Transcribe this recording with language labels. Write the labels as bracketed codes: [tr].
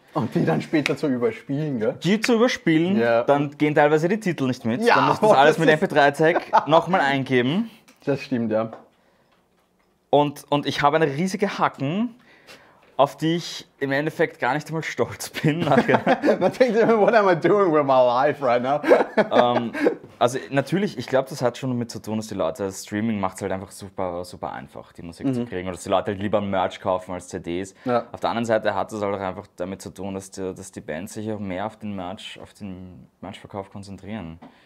[de] Und die dann später zu überspielen, gell? Die zu überspielen, ja, dann gehen teilweise die Titel nicht mit. Ja, dann musst du das alles mit MP3-Tag nochmal eingeben. Das stimmt, ja. Und ich habe eine riesige Hacken, auf die ich im Endeffekt gar nicht einmal stolz bin. Man denkt immer, [en] what am I doing with my life right now? [de] also natürlich, ich glaube, das hat schon damit zu tun, dass die Leute, das Streaming macht es halt einfach super, super einfach, die Musik, mhm, zu kriegen. Oder dass die Leute halt lieber Merch kaufen als CDs. Ja. Auf der anderen Seite hat es halt auch einfach damit zu tun, dass die Bands sich auch mehr auf den Merchverkauf konzentrieren.